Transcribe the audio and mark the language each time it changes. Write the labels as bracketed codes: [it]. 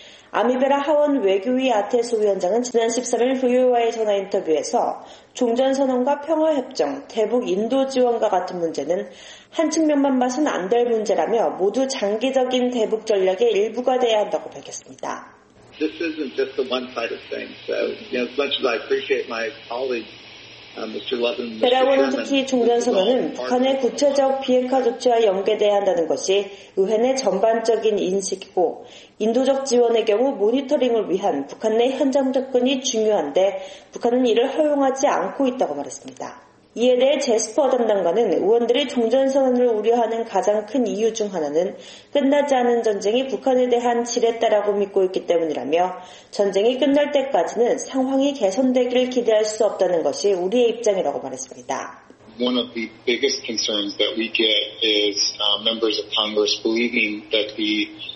[ko] 아미베라 하원 외교위 아테소 위원장은 지난 13일 VOA 전화 인터뷰에서 종전선언과 평화협정, 대북 인도 지원과 같은 문제는 한 측면만 봐선 안 될 문제라며 모두 장기적인 대북 전략의 일부가 돼야 한다고 밝혔습니다. [en] This isn't just a one-sided thing. So, you know, as much as I appreciate my colleague, Mr. Levin, Mr. Sherman, [ko] 특히 종전선언은 북한의 구체적 비핵화 조치와 연계돼야 한다는 것이 의회 내 전반적인 인식이고 인도적 지원의 경우 모니터링을 위한 북한 내 현장 접근이 중요한데 북한은 이를 허용하지 않고 있다고 말했습니다. 이에 대해 제스퍼 담당관은 의원들이 종전선언을 우려하는 가장 큰 이유 중 하나는 끝나지 않은 전쟁이 북한에 대한 지렛대라고 믿고 있기 때문이라며 전쟁이 끝날 때까지는 상황이 개선되기를 기대할 수 없다는 것이 우리의 입장이라고 말했습니다. [en] One of the biggest concerns that we get is members of Congress believing that the